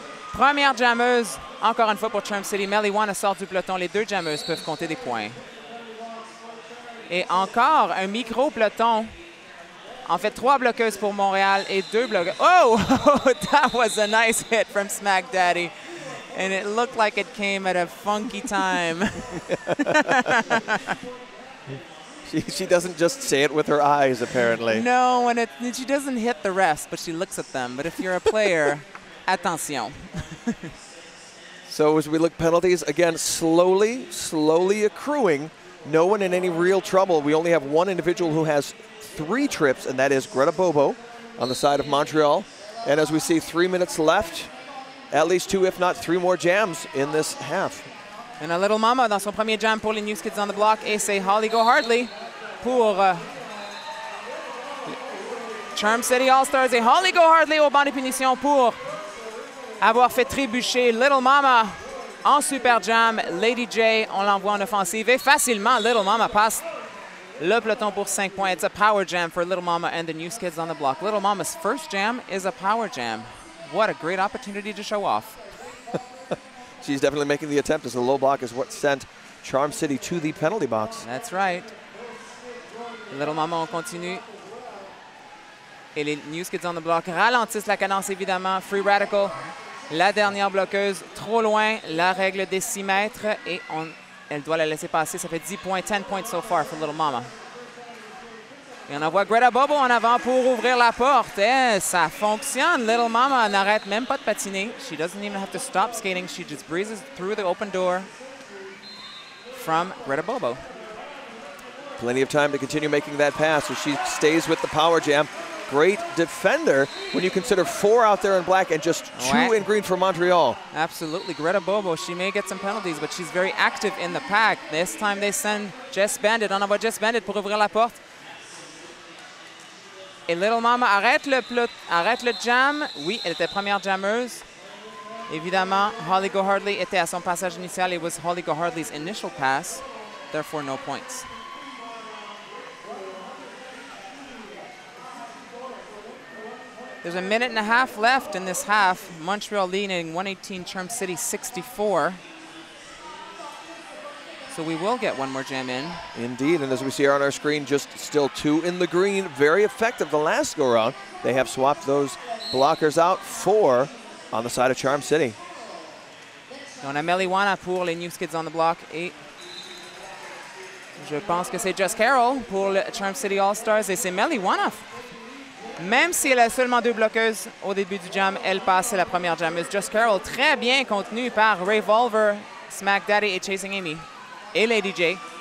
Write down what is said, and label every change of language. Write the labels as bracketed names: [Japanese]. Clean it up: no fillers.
[French] Première jammeuse, encore une fois, pour Charm City. Meliwana sort du peloton. Les deux jammeuses peuvent compter des points. Et encore un micro-peloton. En fait, trois bloqueuses pour Montréal et deux bloqueuses. Oh! [English] That was a nice hit from Smack Daddy. And it looked like it came at a funky time. She doesn't just say it with her eyes, apparently. No, and she doesn't hit the rest, but she looks at them. But if you're a player, attention. So as we look, penalties, again, slowly, slowly accruing. No one in any real trouble. We only have one individual who has three trips, and that is Greta Bobo on the side of Montreal. And as we see, 3 minutes left, at least two, if not three more jams in this half. And a [French] little mama dans son premier jam pour les News Kids on the Block. Et c'est Holly Gohardley pour Charm City All-Stars. Et Holly Gohardley au banc de punition pour avoir fait trébucher Little Mama en super jam. Lady J, on l'envoie en offensive. Et facilement, Little Mama passe le peloton pour 5 points. [English] It's a power jam for Little Mama and the News Kids on the Block. Little Mama's first jam is a power jam. What a great opportunity to show off. She's definitely making the attempt as the low block is what sent Charm City to the penalty box. That's right. Little Mama, [French] on continue. Et les News Kids on the Block ralentissent la cadence, évidemment. Free Radical, la dernière bloqueuse, trop loin. La règle des 6 mètres et elle doit la laisser passer. Ça fait 10 points, 10 points [English] so far [French] for Little Mama. Et on envoie Greta Bobo en avant pour ouvrir la porte. Et ça fonctionne. Little Mama n'arrête même pas de patiner. [English] She doesn't even have to stop skating. She just breezes through the open door from Greta Bobo. Plenty of time to continue making that pass as she stays with the power jam. Great defender when you consider four out there in black and just two in green for Montreal. Absolutely. Greta Bobo, she may get some penalties, but she's very active in the pack. This time they send Jess Bandit. [French] On envoie Jess Bandit pour ouvrir la porte. Et Little Mama, arrête le jam. Oui, elle était première jammeuse. Évidemment, Holly Gohardley était à son passage initial. [English] It was Holly Gohardley's initial pass. Therefore, no points. There's a minute and a half left in this half. Montreal leading 118, Charm City 64. So we will get one more jam in. Indeed, and as we see on our screen, just still two in the green. Very effective the last go-around. They have swapped those blockers out for on the side of Charm City. [French] On a Meliwana pour les News Kids on the Block. Et je pense que c'est Jess Carroll pour le Charm City All-Stars. Et c'est Meliwana. Même si elle a seulement deux bloqueuses au début du jam, elle passe la première jam. [English] It's [French] Jess Carroll, très bien contenu par Revolver, Smack Daddy et Chasing Amy. Et Lady J.